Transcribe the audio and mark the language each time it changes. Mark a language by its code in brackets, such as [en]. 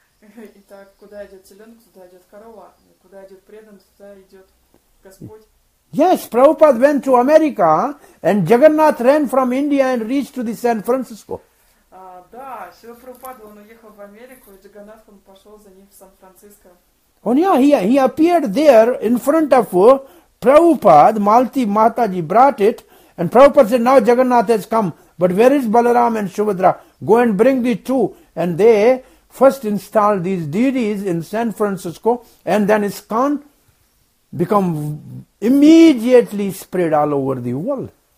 [ru] Итак, куда идет теленок, туда идет корова. Куда идет преданный, туда идет Господь. [en] Yes, Prabhupada went to America and Jagannath ran from India and reached to the San Francisco. [ru] Да, Шрила Прабхупада, он уехал в Америку, и Джаганнат, он пошел за ним в Сан-Франциско. [en] Oh yeah, he appeared there in front of Prabhupada, Malati Mataji brought it, and Prabhupada said, now Jagannath has come, but where is Balaram and Subhadra? Go and bring the two. And they first install these deities in San Francisco, and then ISKCON become immediately spread all over the world.